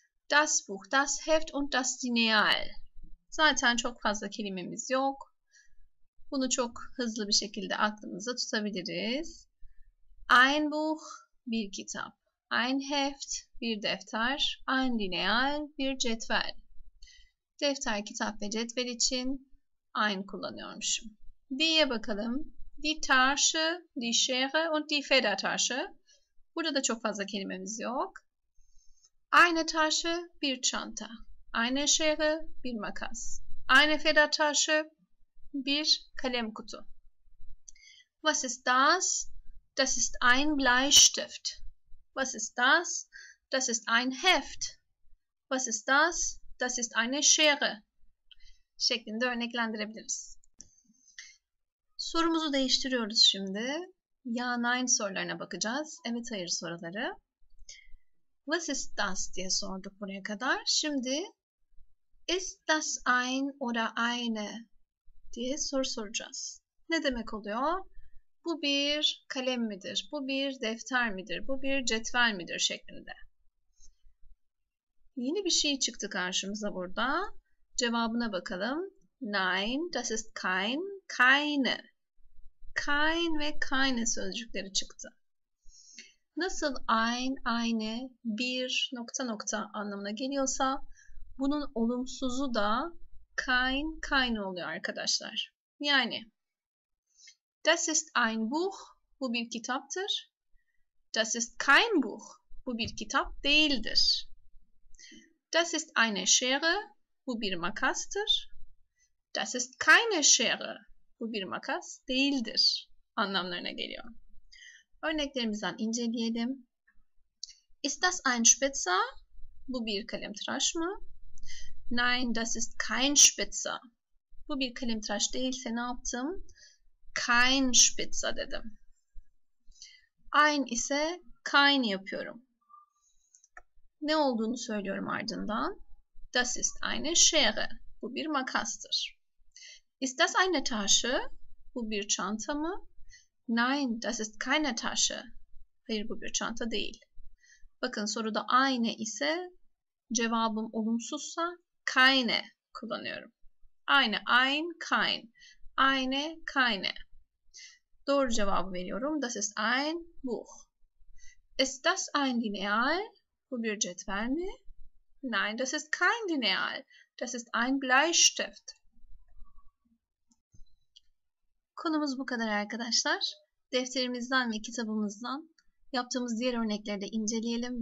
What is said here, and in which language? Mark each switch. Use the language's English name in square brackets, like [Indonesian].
[German] Das Buch, das Heft und das Lineal. [Turkish] Zaten çok fazla kelimemiz yok. Bunu çok hızlı bir şekilde aklımıza tutabiliriz. Ein Buch, bir kitap. Ein Heft, bir defter. Ein Lineal, bir cetvel. Defter, kitap ve cetvel için ein kullanıyormuşum. Die'ye bakalım. [German] Die Tasche, die Schere und die Federtasche. [Turkish] Burada da çok fazla kelimemiz yok. Eine Tasche, bir çanta. Ayna eşyağı, bir makas. Ayna feda taşı, bir kalem kutu. [German] Was ist das? Das ist ein Bleistift. Was ist das? Das ist ein Heft. Was ist das? Das ist eine Schere. [Turkish] Şeklinde örneklendirebiliriz. Sorumuzu değiştiriyoruz şimdi. Ya, nein sorularına bakacağız. Evet, hayır soruları. Was ist das diye sorduk buraya kadar. Şimdi ist das ein oder eine diye soru soracağız. Ne demek oluyor? Bu bir kalem midir? Bu bir defter midir? Bu bir cetvel midir? Şeklinde. Yeni bir şey çıktı karşımıza burada. Cevabına bakalım. Nein, das ist kein, keine. Kein ve keine sözcükleri çıktı. Nasıl ein, eine, bir, nokta nokta anlamına geliyorsa bunun olumsuzu da kein, keine oluyor arkadaşlar. Yani [German] das ist ein Buch, [Turkish] bu bir kitaptır. [German] Das ist kein Buch, [Turkish] bu bir kitap değildir. [German] Das ist eine Schere, [Turkish] bu bir makastır. [German] Das ist keine Schere, [Turkish] bu bir makas değildir anlamlarına geliyor. Örneklerimizden inceleyelim. [German] Ist das ein Spitzer? [Turkish] Bu bir kalemtıraş mı? [German] Nein, das ist kein Spitzer. [Turkish] Bu bir kalemtıraş değilse ne yaptım? [German] Kein Spitzer [Turkish] dedim. Ein ise kein yapıyorum. Ne olduğunu söylüyorum ardından. [German] Das ist eine Schere. [Turkish] Bu bir makastır. [German] Ist das eine Tasche? [Turkish] Bu bir çanta mı? [German] Nein, das ist keine Tasche. [Turkish] Hayır, bu bir çanta değil. Bakın, soruda eine ise cevabım olumsuzsa keine kullanıyorum. [German] Eine, ein, kein. Eine, keine. [Turkish] Doğru cevabı veriyorum. [German] Das ist ein Buch. Ist das ein Lineal? [Turkish] Bu bir cetvel mi? [German] Nein, das ist kein Lineal. Das ist ein Bleistift. [Turkish] Konumuz bu kadar arkadaşlar. Defterimizden ve kitabımızdan yaptığımız diğer örnekleri de inceleyelim.